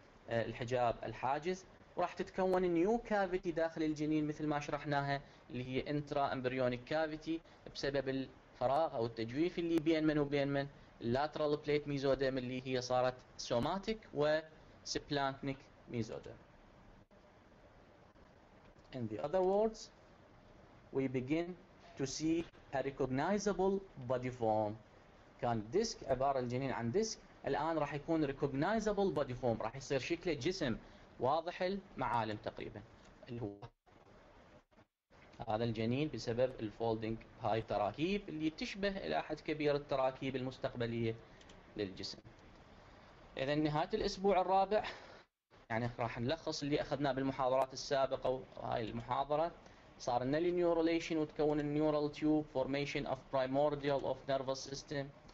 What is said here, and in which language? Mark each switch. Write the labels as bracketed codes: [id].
[ar] الحجاب الحاجز، وراح تتكون نيو كافيتي داخل الجنين مثل ما شرحناها اللي هي انترا امبريونيك كافيتي بسبب فراغ او التجويف اللي بين من وبين من اللاترال بليت ميزوديم اللي هي صارت سوماتيك وسبلانكنيك ميزوديم. [en] In the other words we begin to see a recognizable body form، [ar] كان ديسك عبارة الجنين عن ديسك، الآن راح يكون [en] recognizable body form، [ar] راح يصير شكله جسم واضح المعالم تقريبا اللي هو هذا الجنين بسبب الفولدنج، هاي التراكيب اللي تشبه الى حد كبير التراكيب المستقبليه للجسم. اذا نهايه الاسبوع الرابع، يعني راح نلخص اللي اخذناه بالمحاضرات السابقه وهاي المحاضره، صار لنا النيوروليشن وتكون النيورال تيوب، [en] formation of primordial of nervous system,